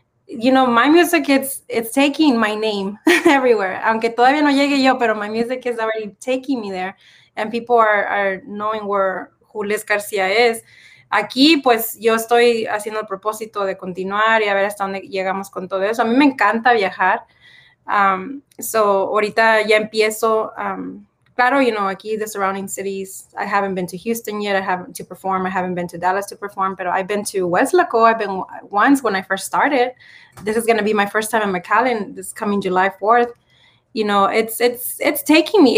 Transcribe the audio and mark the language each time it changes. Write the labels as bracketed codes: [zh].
[en] You know, my music, it's taking my name everywhere. Aunque todavía no llegue yo, pero my music is already taking me there. And people are knowing where Julis García is. [es] Aquí, pues, yo estoy haciendo el propósito de continuar y a ver hasta dónde llegamos con todo eso. A mí me encanta viajar. So, ahorita ya empiezo. [en] Claro, you know, aquí, the surrounding cities, I haven't been to Houston yet to perform. I haven't been to Dallas to perform, but I've been to Weslaco. I've been once when I first started. This is going to be my first time in McAllen this coming July 4th. You know, it's taking me.